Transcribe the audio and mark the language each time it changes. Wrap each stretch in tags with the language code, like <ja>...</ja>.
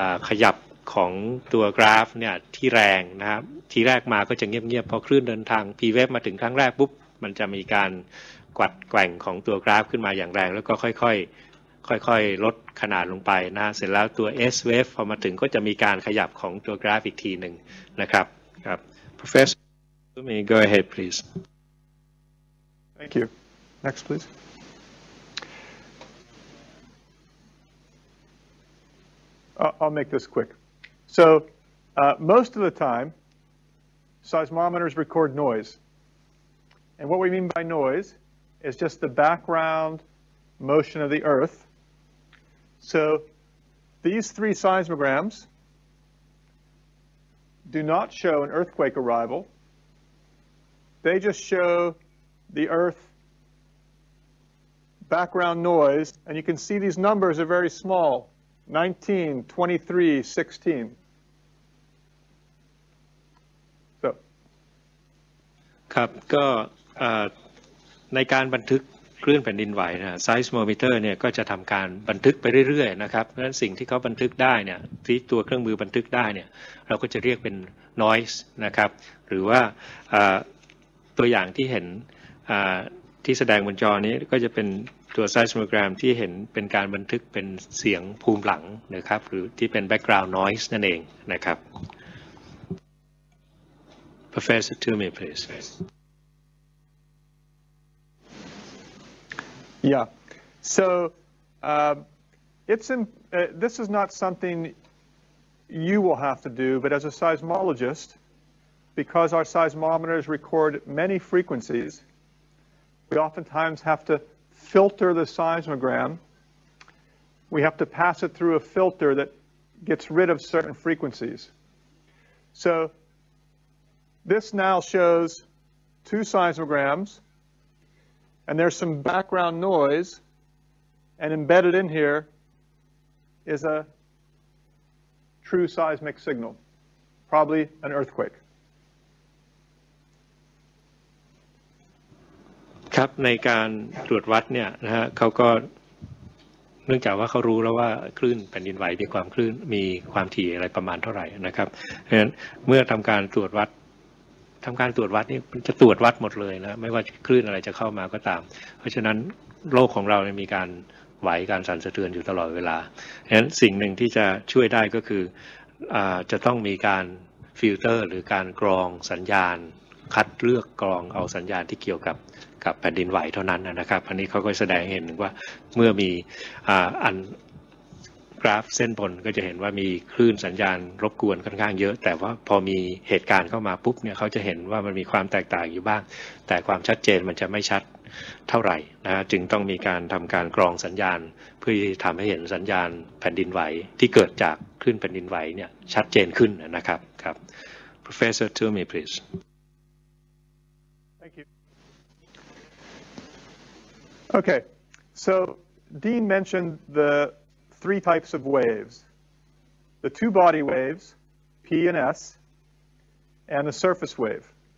<th>ขยับของตัวกราฟเนี่ยที่แรงนะครับทีแรกมาก็จะเงียบๆพอคลื่นเดินทาง P wave มาถึงครั้งแรกปุ๊บมันจะมีการกวัดแกว่งของตัวกราฟขึ้นมาอย่างแรงแล้วก็ค่อยๆลดขนาดลงไปนะเสร็จแล้วตัว S wave พอมาถึงก็จะมีการขยับของตัวกราฟอีกทีหนึ่งนะครับครับ</th> <en>Professor Toomey go ahead please thank you next pleaseI'll make this quickSo, most of the time, seismometers record noise. And what we mean by noise is just the background motion of the Earth. So, these three seismograms do not show an earthquake arrival. They just show the Earth background noise. And you can see these numbers are very small, 19, 23, 16.</en> <th>ครับก็ในการบันทึกคลื่นแผ่นดินไหวนะไซส์โมมิเตอร์เนี่ยก็จะทำการบันทึกไปเรื่อยๆนะครับเพราะฉะนั้นสิ่งที่เขาบันทึกได้เนี่ยที่ตัวเครื่องมือบันทึกได้เนี่ยเราก็จะเรียกเป็น noise นะครับหรือว่าตัวอย่างที่เห็น ที่แสดงบนจอนี้ก็จะเป็นตัวไซโซโมแกรมที่เห็นเป็นการบันทึกเป็นเสียงภูมิหลังนะครับหรือที่เป็น background noise นั่นเองนะครับ</th> <en>Professor Toomey please Yeah so this is not something you will have to do but as a seismologist because our seismometers record many frequencies we oftentimes have to filter the seismogram we have to pass it through a filter that gets rid of certain frequencies so this now shows two seismograms and there's some background noise and embedded in here is a true seismic signal probably an earthquake</en> <th>ครับในการตรวจวัดเนี่ยนะฮะเขาก็เนื่องจากว่าเขารู้แล้วว่าคลื่นแผ่นดินไหวมีความคลื่นมีความถี่อะไรประมาณเท่าไหร่นะครับเพราะฉะนั้นเมื่อทําการตรวจวัดทำการตรวจวัดนี่จะตรวจวัดหมดเลยนะไม่ว่าคลื่นอะไรจะเข้ามาก็ตามเพราะฉะนั้นโลกของเราเนี่ยมีการไหวการสั่นสะเทือนอยู่ตลอดเวลาเพราะฉะนั้นสิ่งหนึ่งที่จะช่วยได้ก็คือ จะต้องมีการฟิลเตอร์หรือการกรองสัญญาณคัดเลือกกรองเอาสัญญาณที่เกี่ยวกับแผ่นดินไหวเท่านั้นนะครับอันนี้เขาก็แสดงเห็นว่าเมื่อมีอัน กราฟเส้นบนก็จะเห็นว่ามีคลื่นสัญญาณรบกวนค่อนข้างเยอะแต่ว่าพอมีเหตุการณ์เข้ามาปุ๊บเนี่ยเขาจะเห็นว่ามันมีความแตกต่างอยู่บ้างแต่ความชัดเจนมันจะไม่ชัดเท่าไหร่นะจึงต้องมีการทำการกรองสัญญาณเพื่อที่ทำให้เห็นสัญญาณแผ่นดินไหวที่เกิดจากคลื่นแผ่นดินไหวเนี่ยชัดเจนขึ้นนะครับครับ</th> <en>Professor Toomey please Thank you Okay so Dean mentioned the three types of waves, the two body waves, P and S, and the surface wave.</en>